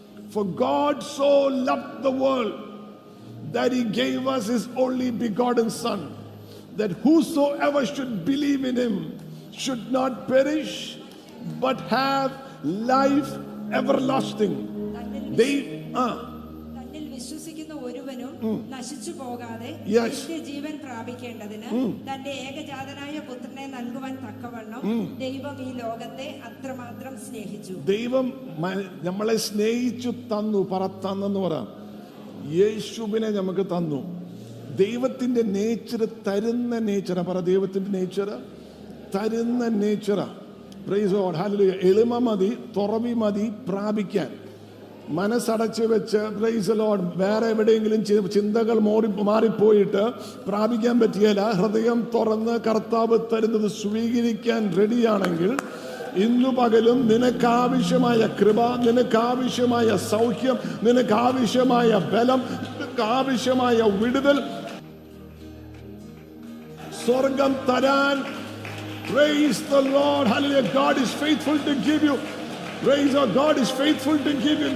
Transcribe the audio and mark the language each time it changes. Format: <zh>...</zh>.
<en>For God so loved the world that he gave us his only begotten son, that whosoever should believe in him should not perish but have life everlasting.</en> <ml>They നമ്മളെ സ്നേഹിച്ചു തന്നു, പറത്തന്നെന്ന് പറയാം. യേശുവിനെ നമുക്ക് തന്നു. ദൈവത്തിന്റെ nature തരുന്ന nature, പറ, ദൈവത്തിന്റെ നേച്ചർ തരുന്ന നേച്ചർ.</ml> <en>praise God,</en> <ml>hallelujah. എളിമ മതി, തുറവി മതി പ്രാപിക്കാൻ. മനസ്സടച്ച് വെച്ച്,</ml> <en>praise Lord,</en> <ml>വേറെ എവിടെയെങ്കിലും ചിന്തകൾ മാറിപ്പോയിട്ട് പ്രാപിക്കാൻ പറ്റിയല്ല, ഹൃദയം തുറന്ന് കർത്താവ് തരുന്നത് സ്വീകരിക്കാൻ റെഡിയാണെങ്കിൽ ഇന്നു പകലും നിനക്കാവശ്യമായ കൃപ, നിനക്കാവശ്യമായ സൗഖ്യം, നിനക്കാവശ്യമായ ബലം, നിനക്കാവശ്യമായ വിടുതൽ സ്വർഗം തരാൻ.</ml> <en>Praise the Lord, hallelujah. God is faithful to give you. Praise our God is faithful to give you.</en>